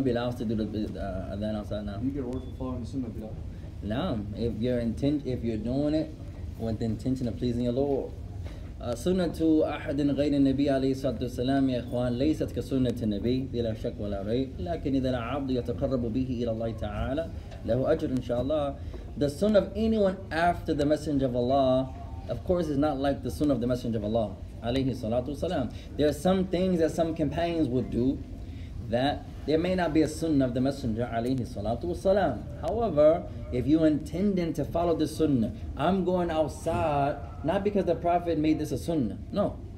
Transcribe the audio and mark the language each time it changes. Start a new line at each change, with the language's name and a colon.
English: bilal to do the adhan outside. The sunnah bilal to do the adhan outside now. You get a word for following the sunnah bilal. Nah, if you're doing it with the intention of pleasing your Lord,
Arabic: سنة أحد غير النبي عليه الصلاة والسلام يا إخوان ليست كسنة النبي بلا شك ولا ريب، لكن إذا العبد يتقرب به إلى الله تعالى له أجر إن شاء الله.
English: The sunnah of anyone after the Messenger of Allah, of course, is not like the sunnah of the Messenger of Allah
Arabic: عليه الصلاة والسلام.
English: There are some things that some companions would do that there may not be a sunnah of the Messenger
Arabic: عليه الصلاة والسلام.
English: However, if you intending to follow the sunnah, I'm going outside, not because the Prophet made this a sunnah. No.